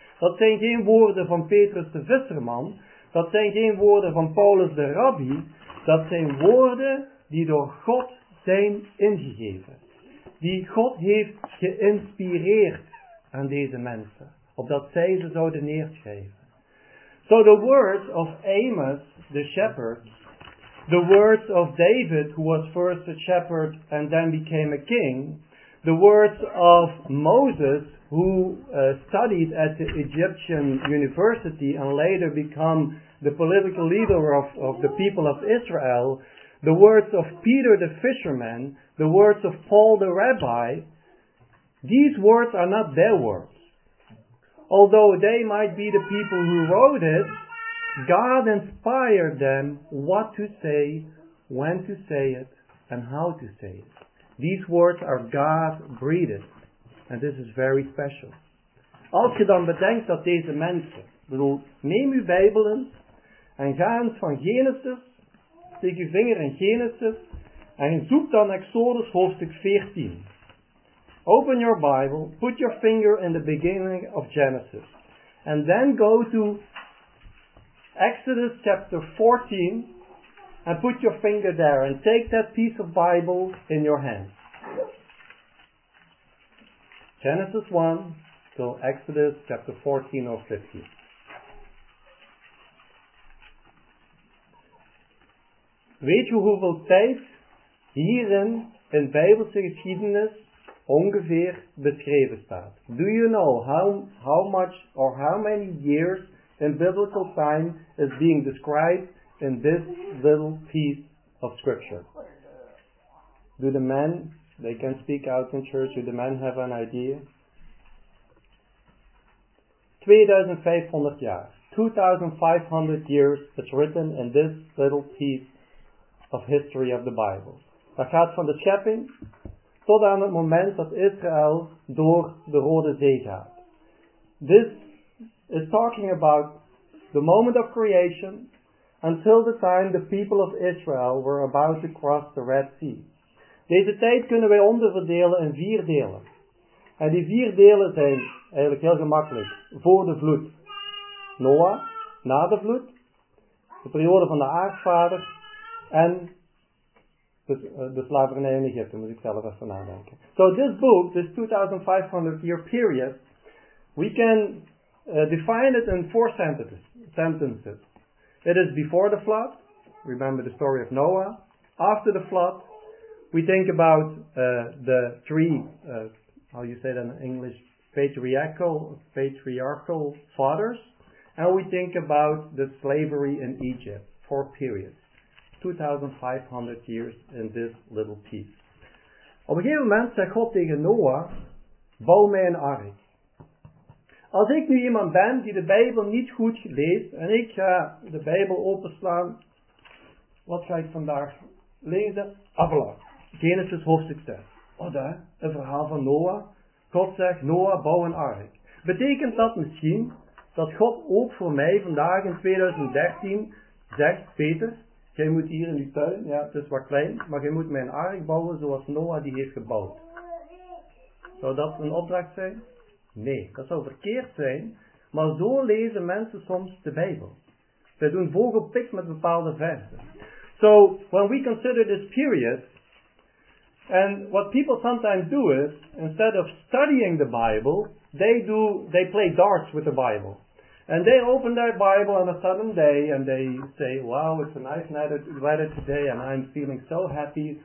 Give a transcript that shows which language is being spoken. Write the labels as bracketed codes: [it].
[nl] Dat zijn geen woorden van Petrus de Visserman. Dat zijn geen woorden van Paulus de Rabbi. Dat zijn woorden die door God zijn ingegeven. Die God heeft geïnspireerd aan deze mensen. Opdat zij ze zouden neerschrijven. [en] So the words of Amos, the shepherd. The words of David, who was first a shepherd and then became a king. The words of Moses, who studied at the Egyptian university and later become the political leader of the people of Israel, the words of Peter the fisherman, the words of Paul the rabbi, these words are not their words. Although they might be the people who wrote it, God inspired them what to say, when to say it, and how to say it. These words are God-breathed. And this is very special. [nl] Als je dan bedenkt dat deze mensen, bedoel, neem uw Bijbel in en ga eens van Genesis, steek uw vinger in Genesis en zoek dan Exodus hoofdstuk 14. [en] Open your Bible, put your finger in the beginning of Genesis. And then go to Exodus chapter 14 and put your finger there and take that piece of Bible in your hand. Genesis 1 to Exodus chapter 14 or 15. [nl] Weet je hoeveel tijd hierin in Bijbelse geschiedenis ongeveer beschreven staat? [en] Do you know how much or how many years in biblical time is being described in this little piece of scripture? Do the men, they can speak out in church, do the men have an idea? [nl] 2500 jaar. [en] 2500 years is written in this little piece of history of the Bible. [nl] Dat gaat van de schepping tot aan het moment dat Israël door de Rode Zee gaat. [en] This is talking about the moment of creation until the time the people of Israel were about to cross the Red Sea. [nl] Deze tijd kunnen wij onderverdelen in vier delen. En die vier delen zijn eigenlijk heel gemakkelijk. Voor de vloed, Noah, na de vloed, de periode van de aardvaders en de slavernij in Egypte, moet ik zelf even nadenken. [en] So this book, this 2500 year period, we can define it in four sentences. It is before the flood, remember the story of Noah, after the flood, we think about the three, how you say that in English, patriarchal fathers, and we think about the slavery in Egypt, four periods, 2500 years in this little piece. [nl] Op een gegeven moment zegt God tegen Noah, bouw mij een ark. Als ik nu iemand ben die de Bijbel niet goed leest, en ik ga de Bijbel openslaan, wat ga ik vandaag lezen? Avalon. Genesis hoofdstuk 6. Wat hè? Een verhaal van Noah. God zegt, Noah, bouw een ark. Betekent dat misschien dat God ook voor mij vandaag in 2013 zegt, Peter, jij moet hier in die tuin, ja, het is wat klein, maar jij moet mijn ark bouwen zoals Noah die heeft gebouwd. Zou dat een opdracht zijn? Nee, dat zou verkeerd zijn, maar zo lezen mensen soms de Bijbel. Ze doen vogelpik met bepaalde versen. [en] So, when we consider this period, and what people sometimes do is, instead of studying the Bible, they play darts with the Bible. And they open their Bible on a sudden day and they say, wow, it's a nice night of weather today and I'm feeling so happy.